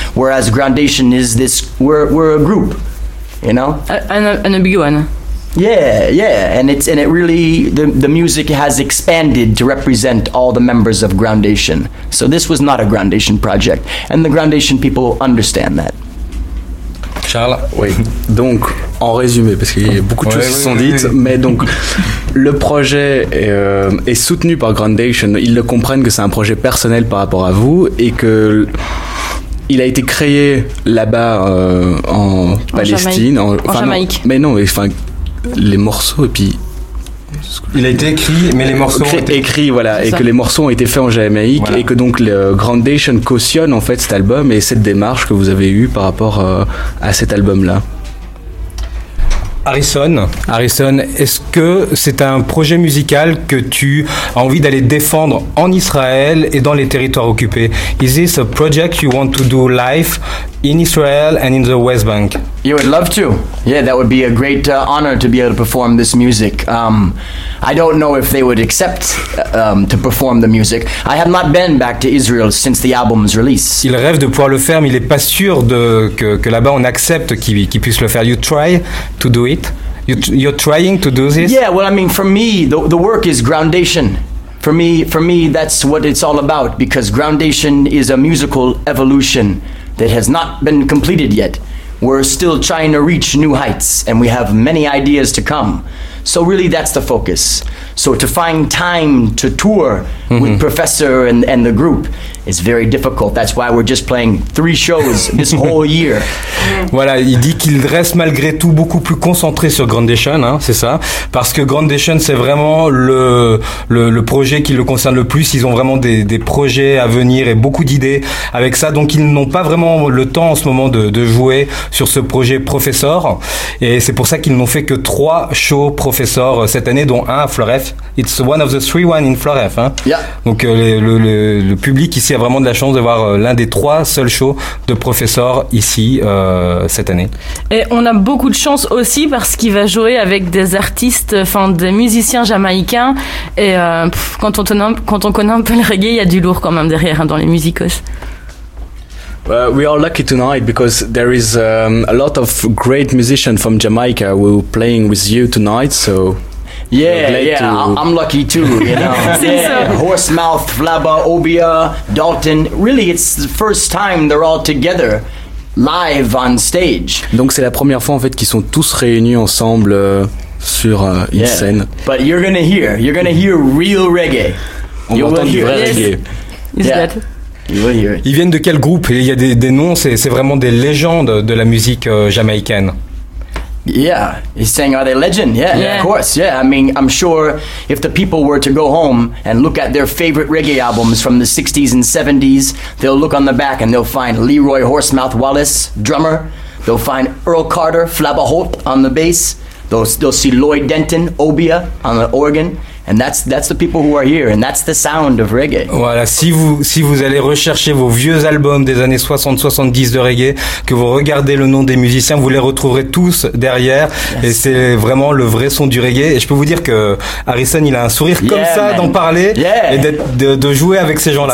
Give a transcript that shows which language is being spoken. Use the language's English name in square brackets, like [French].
[English] Whereas Grandation is this, we're a group. You know, and a big one. Yeah, and it really the music has expanded to represent all the members of Grandation. So this was not a Grandation project, and the Grandation people understand that. Charles, [French] oui. Donc, en résumé, parce qu'il y a beaucoup de choses qui sont dites, mais donc le projet est soutenu par Grandation. Ils le comprennent que c'est un projet personnel par rapport à vous et que. Il a été créé là-bas en Palestine, Jamaïque. Les morceaux et puis. Il a été écrit, mais les morceaux ont été écrits, voilà, c'est et ça. Que les morceaux ont été faits en Jamaïque, voilà. Et que donc le Grandation cautionne en fait cet album et cette démarche que vous avez eue par rapport à cet album-là. Harrison, est-ce que c'est un projet musical que tu as envie d'aller défendre en Israël et dans les territoires occupés? [English] Is this a project you want to do live in Israel and in the West Bank? You would love to. Yeah, that would be a great honor to be able to perform this music. I don't know if they would accept to perform the music. I have not been back to Israel since the album's release. [French] Il rêve de pouvoir le faire, mais il est pas sûr que là-bas on accepte qu'il puisse le faire. [English] You try to do it? You're trying to do this? Yeah, well, I mean, for me, the work is Grandation. For me, that's what it's all about, because Grandation is a musical evolution that has not been completed yet. We're still trying to reach new heights, and we have many ideas to come. So really, that's the focus. So to find time to tour with Professor and the group is very difficult. That's why we're just playing 3 shows this whole year. [French] Voilà, il dit qu'il reste malgré tout beaucoup plus concentré sur Grandation, hein, c'est ça. Parce que Grandation, c'est vraiment le projet qui le concerne le plus. Ils ont vraiment des projets à venir et beaucoup d'idées avec ça. Donc ils n'ont pas vraiment le temps en ce moment de jouer sur ce projet Professor. Et c'est pour ça qu'ils n'ont fait que 3 shows Professor cette année, dont un à Floref. [English] It's one of the 3 ones in Floref. [French] Hein. [English] Yeah. [French] Donc le public ici a vraiment de la chance de voir l'un des trois seuls shows de Professeur ici cette année. Et on a beaucoup de chance aussi parce qu'il va jouer avec des artistes, enfin des musiciens jamaïcains. Et quand on connaît un peu le reggae, il y a du lourd quand même derrière hein, dans les musicos. [English] We are lucky tonight because there is a lot of great musicians from Jamaica who are playing with you tonight. So I'm lucky too. You know, Horsemouth, Flabba, Obia, Dalton. Really, it's the first time they're all together live on stage. [French] Donc c'est la première fois en fait qu'ils sont tous réunis ensemble sur une scène. [English] But you're gonna hear real reggae. [French] On va entendre du vrai reggae. Ils viennent de quel groupe? Il y a des noms, c'est vraiment des légendes de la musique jamaïcaine. [English] Yeah, he's saying are they legend? Yeah, of course. Yeah, I mean, I'm sure if the people were to go home and look at their favorite reggae albums from the 60s and 70s, they'll look on the back and they'll find Leroy Horsemouth Wallace, drummer. They'll find Earl Carter, Flabba Holt on the bass. They'll see Lloyd Denton, Obia on the organ. And that's the people who are here, and that's the sound of reggae. [French] Voilà, si vous allez rechercher vos vieux albums des années 60-70 de reggae, que vous regardez le nom des musiciens, vous les retrouverez tous derrière. Yes. Et c'est vraiment le vrai son du reggae. Et je peux vous dire que Harrison, il a un sourire comme ça, [English] man, [French] d'en parler et de jouer avec ces gens-là.